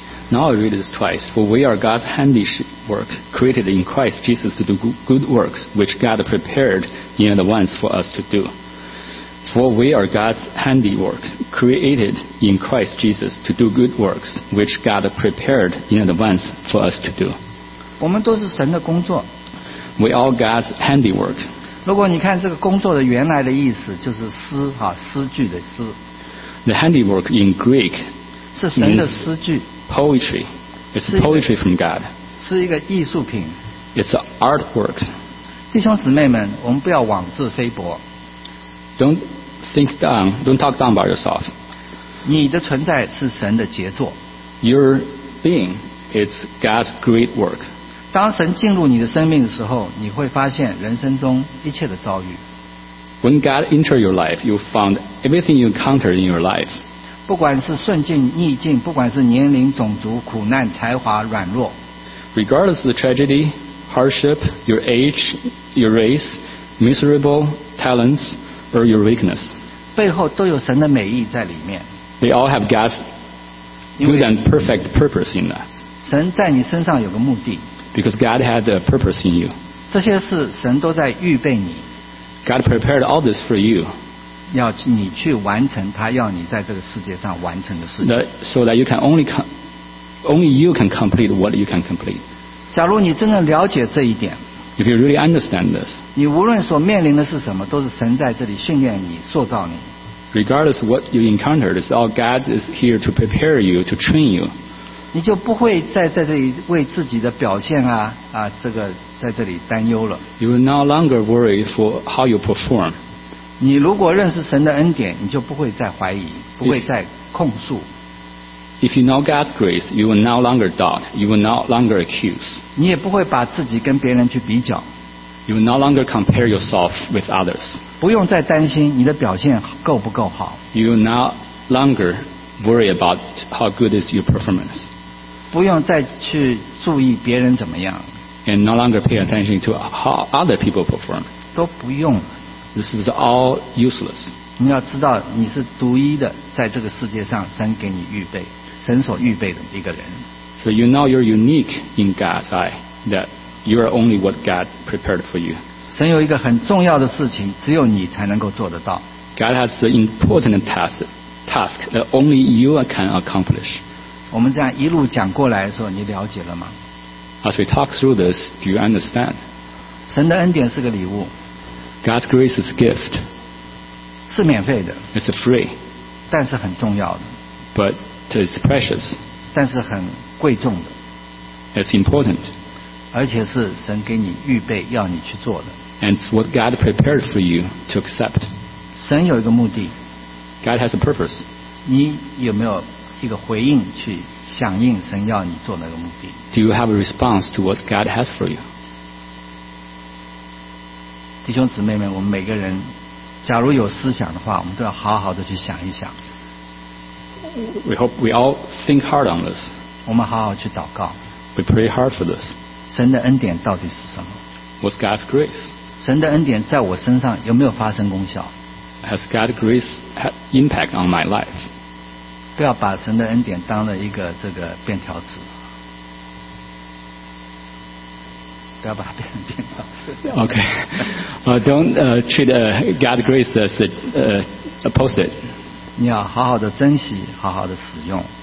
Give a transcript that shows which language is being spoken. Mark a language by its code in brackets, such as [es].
[en] Now I read this twice. For we are God's handiwork, created in Christ Jesus to do good works, which God prepared in advance for us to do. For we are God's handiwork, created in Christ Jesus to do good works, which God prepared in advance for us to do. [zh] 我们都是神的工作。 [en] We all God's handiwork. [zh] 如果你看这个工作的原来的意思，就是诗哈，诗句的诗。 [en] The handiwork in Greek [zh] 是神的诗句。 [en] Poetry. It's poetry from God. [zh] 是一个艺术品。 [en] It's an artwork. [zh] 弟兄姊妹们，我们不要妄自菲薄。 [en] Don't think down. Don't talk down about yourself. [zh] 你的存在是神的杰作。 [en] Your being is God's great work. [zh] 当神进入你的生命的时候，你会发现人生中一切的遭遇。 [en] When God enter your life, you found everything you encounter in your life. [zh] 不管是顺境逆境，不管是年龄种族苦难才华软弱。 [en] Regardless of the tragedy, hardship, your age, your race, miserable talents, or your weakness. [zh] 背后都有神的美意在里面。 [en] They all have God's good and perfect purpose in that. [zh] 神在你身上有个目的。 [en] Because God had a purpose in you. [zh] 这些事神都在预备你。 [en] God prepared all this for you. [zh] 要你去完成他要你在这个世界上完成的事情。 [en] So that you can only you can complete what you can complete. [zh] 假如你真正了解这一点。 [en] If you really understand this. [zh] 你无论所面临的是什么，都是神在这里训练你，塑造你。 [en] Regardless of what you encountered, it's all God is here to prepare you, to train you. [zh] 你就不会在这里为自己的表现啊这个在这里担忧了。 [en] You will no longer worry for how you perform. [zh] 你如果认识神的恩典，你就不会再怀疑，不会再控诉。 [en] If you know God's grace, you will no longer doubt. You will no longer accuse. [zh] 你也不会把自己跟别人去比较。 [en] You will no longer compare yourself with others. [zh] 不用再担心你的表现够不够好。 [en] You will no longer worry about how good is your performance. [zh] 不用再去注意别人怎么样 [en] and no longer pay attention to how other people perform [zh] 都不用 [en] this is all useless [zh] 你要知道你是独一的在这个世界上神给你预备神所预备的一个人 [en] so you know you're unique in God's eye that you are only what God prepared for you [zh] 神有一个很重要的事情只有你才能够做得到 [en] God has an important task that only you can accomplish [zh] 我们这样一路讲过来的时候你了解了吗 [en] As we talk through this, do you understand? [zh] 神的恩典是个礼物 [en] God's grace is a gift [zh] 是免费的 [en] It's free [zh] 但是很重要的 [en] But it's precious [zh] 但是很贵重的 [en] It's important [zh] 而且是神给你预备要你去做的 [en] And it's what God prepared for you to accept [zh] 神有一个目的 [en] God has a purpose [zh] 你有没有一个回应去响应神要你做那个目的 [en] Do you have a response to what God has for you? [zh] 弟兄姊妹们我们每个人假如有思想的话，我们都要好好的去想一想。 [en] We hope we all think hard on this. [zh] 我们好好去祷告。 [en] We pray hard for this. [zh] 神的恩典到底是什么 [en] ？What's God's grace? [zh] 神的恩典在我身上有没有发生功效 [en] ？Has God's grace had impact on my life? [zh] 不要把神的恩典当了一个这个便条纸。不要把它变成便条纸。 [en] Okay. Don't treat God's grace as a post-it. [zh] 你要好好的珍惜，好好的使用。